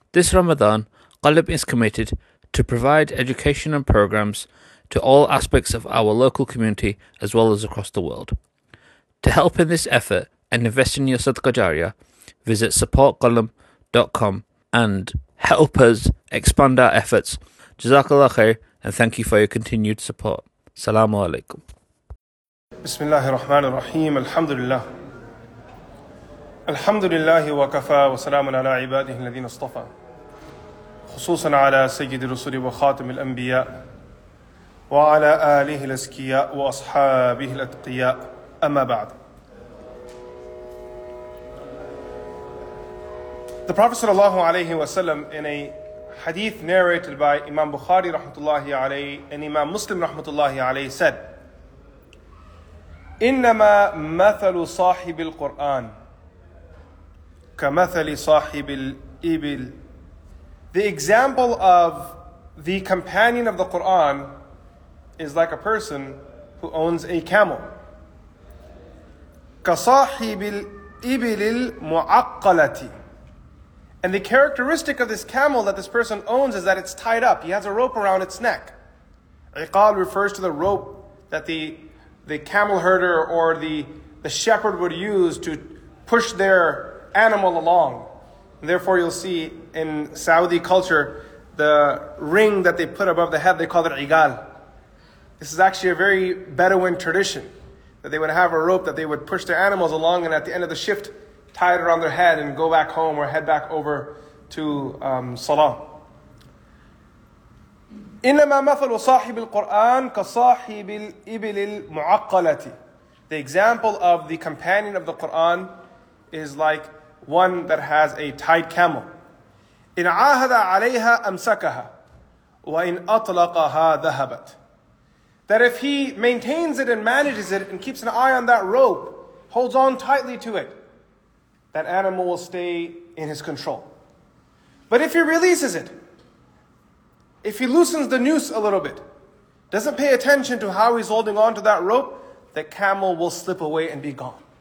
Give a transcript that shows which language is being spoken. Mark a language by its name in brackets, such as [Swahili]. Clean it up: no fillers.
[English] This Ramadan, Qalb is committed to provide education and programs to all aspects of our local community as well as across the world. To help in this effort and invest in your Sadqa Jariyah, visit supportqalb.com and help us expand our efforts. Jazakallah khair and thank you for your continued support. Assalamu alaikum. [Arabic] بسم الله الرحمن الرحيم الحمد لله الحمد لله وكفى وسلام على عباده الذين اصطفى خصوصا على سيد الرسل وخاتم الأنبياء وعلى آله الأزكياء وأصحابه الأتقياء أما بعد. [English] The Prophet [Arabic] صلى الله عليه وسلم [English] in a hadith narrated by Imam Bukhari [Arabic] رحمة الله عليه [English] and Imam Muslim رحمة الله عليه said, [Arabic] إنما مثل صاحب القرآن كمثل صاحب الإبل. [English] The example of the companion of the Quran is like a person who owns a camel. [Arabic] كصاحب الإبل المعقلة. [English] And the characteristic of this camel that this person owns is that it's tied up. He has a rope around its neck. عقال refers to the rope that the camel herder or the shepherd would use to push their animal along. And therefore, you'll see in Saudi culture, the ring that they put above the head, they call it igal. This is actually a very Bedouin tradition, that they would have a rope that they would push their animals along, and at the end of the shift, tie it around their head and go back home or head back over to Salah. [Arabic] إنما مثل صاحب القرآن كصاحب الإبل المعقلة. [English] The example of the companion of the Quran is like one that has a tied camel. [Arabic] إن عاهد عليها أمسكها وإن أطلقها ذهبت. [English] That if he maintains it and manages it and keeps an eye on that rope, holds on tightly to it, that animal will stay in his control. But if he releases it, if he loosens the noose a little bit, doesn't pay attention to how he's holding on to that rope, the camel will slip away and be gone.